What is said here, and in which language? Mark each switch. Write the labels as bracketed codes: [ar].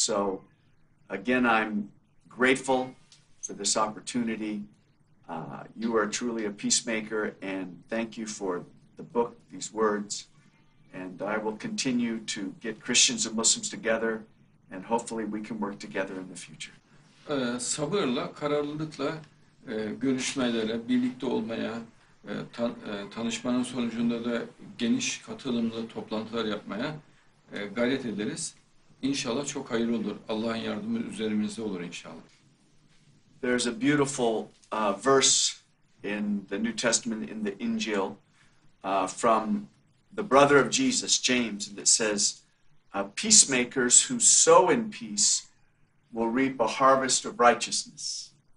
[en] So again, I'm grateful for this opportunity. You are truly a peacemaker, and thank you for the book, these words. And I will continue to get Christians and Muslims together, and hopefully we can work together in the future. [tr] Sabırla, kararlılıkla görüşmelere, birlikte olmaya, tanışmanın sonucunda da geniş katılımlı toplantılar yapmaya gayret ederiz. İnşallah çok hayırlı olur. Allah'ın yardımı üzerimizde olur inşallah. [en] There's a beautiful verse in the New Testament, in the İncil, from the brother of Jesus, James, that says, peacemakers who sow in peace will reap a harvest of righteousness.